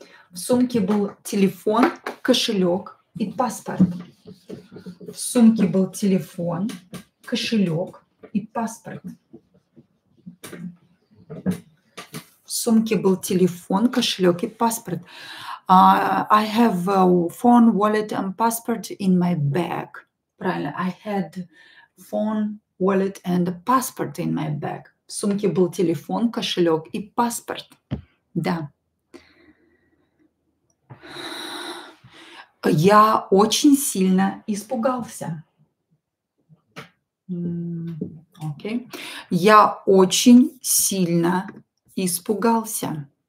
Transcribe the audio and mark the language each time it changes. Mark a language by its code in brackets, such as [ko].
[ru] В сумке был телефон, кошелек и паспорт. В сумке был телефон, кошелек и паспорт. В сумке был телефон, кошелек и паспорт. [en] I have a phone, wallet and passport in my bag. [ru] Правильно. [en] I had phone, wallet and a passport in my bag. [ru] В сумке был телефон, кошелек и паспорт. Да. Я очень сильно испугался. Окей. Я очень сильно испугался.